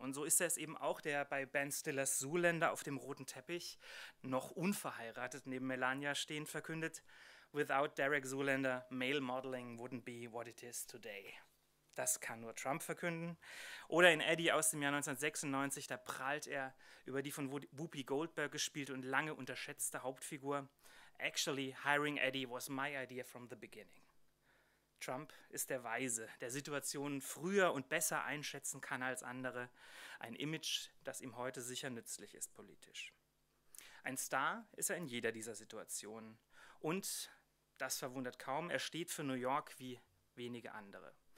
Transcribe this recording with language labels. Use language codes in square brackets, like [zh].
[de] Und so ist er es eben auch, der bei Ben Stillers Zoolander auf dem roten Teppich, noch unverheiratet neben Melania stehend, verkündet, [en] Without Derek Zoolander, male modeling wouldn't be what it is today. [de] Das kann nur Trump verkünden. Oder in Eddie aus dem Jahr 1996, da prahlt er über die von Whoopi Goldberg gespielte und lange unterschätzte Hauptfigur. [en] Actually, hiring Eddie was my idea from the beginning. [de] Trump ist der Weise, der Situationen früher und besser einschätzen kann als andere. Ein Image, das ihm heute sicher nützlich ist politisch. Ein Star ist er in jeder dieser Situationen. Und, das verwundert kaum, er steht für New York wie wenige andere.